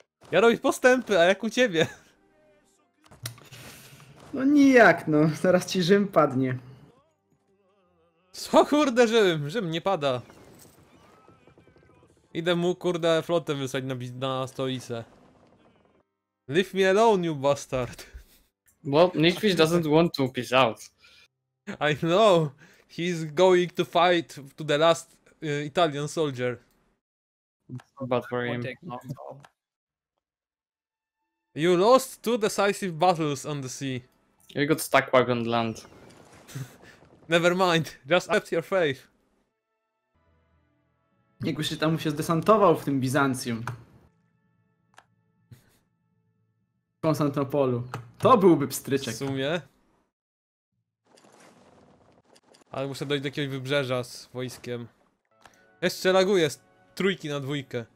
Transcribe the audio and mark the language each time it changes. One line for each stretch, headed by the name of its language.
Polish: Ja robię postępy, a jak u ciebie? No nijak no, zaraz ci Rzym padnie. Co kurde Rzym? Rzym nie pada. Idę mu, kurde, flotę wysłać na stolicę.
English: Leave me alone, you bastard. Well, Nichwish doesn't want to peace out. I know. He's going to fight to the last Italian soldier. But for him. You lost two decisive battles on the sea. You got stuck back on land. Never mind. Just accept your faith.
Polish: Jakby się tam się zdesantował w tym Bizancjum. W Konstantynopolu. To byłby pstryczek. W sumie. Ale muszę dojść do jakiegoś wybrzeża z wojskiem. Jeszcze laguję z trójki na dwójkę.